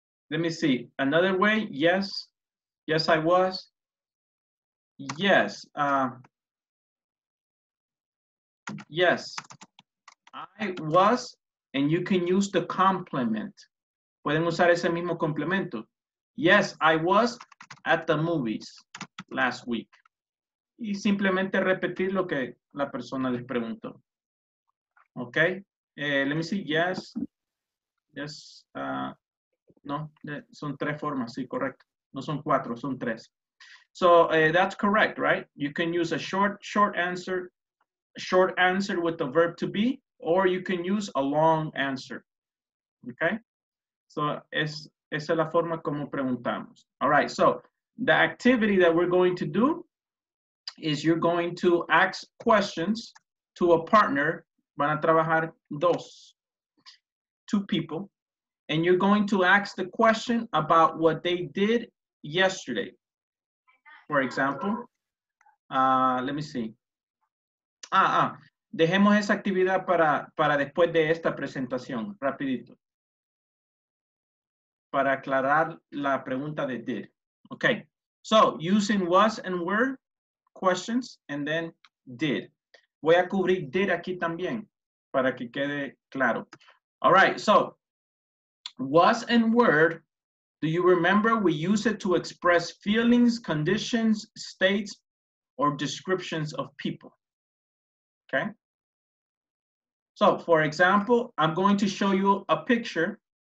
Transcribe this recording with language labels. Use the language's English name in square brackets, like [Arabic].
[English] Let me see. Another way, yes. Yes, I was. Yes. Yes, I was, and you can use the complement. [Spanish] Pueden usar ese mismo complemento. [English] Yes, I was at the movies last week. [Spanish] Y simplemente repetir lo que la persona les preguntó. [English] Okay, let me see, yes. Yes, no, [Spanish] son tres formas, sí, correcto. No son cuatro, son tres. [English] So that's correct, right? You can use a short answer with the verb to be, or you can use a long answer, okay? So [Spanish] esa es la forma como preguntamos. [English] All right, so the activity that we're going to do is you're going to ask questions to a partner, [Spanish] van a trabajar dos, [English] two people, and you're going to ask the question about what they did yesterday. For example, let me see. [Spanish] Dejemos esa actividad para después de esta presentación, rapidito. Para aclarar la pregunta de did. [English] Okay, so using was and were questions and then did. [Spanish] Voy a cubrir did aquí también para que quede claro. [English] All right, so was and were, do you remember we use it to express feelings, conditions, states, or descriptions of people? Okay. So, for example, I'm going to show you a picture.